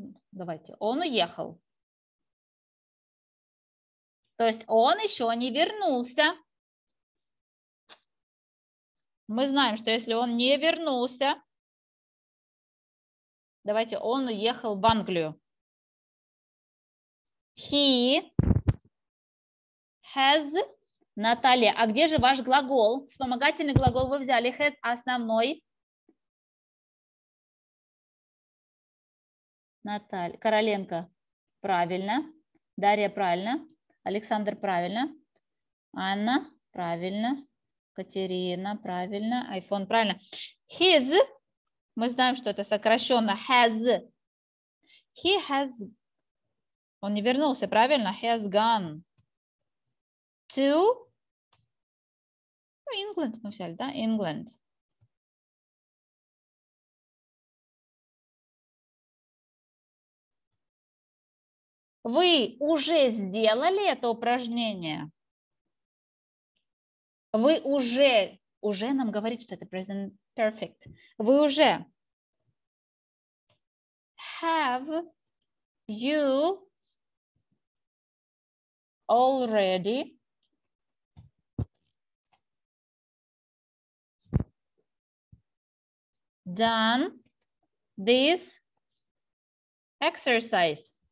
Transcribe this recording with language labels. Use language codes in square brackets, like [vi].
[ru] Давайте, он уехал. То есть он еще не вернулся. Мы знаем, что если он не вернулся, давайте, он уехал в Англию. [en] He has Наталья. [ru] А где же ваш глагол? Вспомогательный глагол вы взяли. Has основной. Наталья. Короленко. Правильно. Дарья, правильно. Александр, правильно. Анна, правильно. Катерина, правильно. iPhone, правильно. His, мы знаем, что это сокращенно. [en] Has. He has. [ru] Он не вернулся, правильно? [en] Has gone to England. [ru] Мы взяли, да? [en] England. [ru] Вы уже сделали это упражнение? Вы уже нам говорит, что это present perfect. Вы уже. [en] Have you already done this exercise?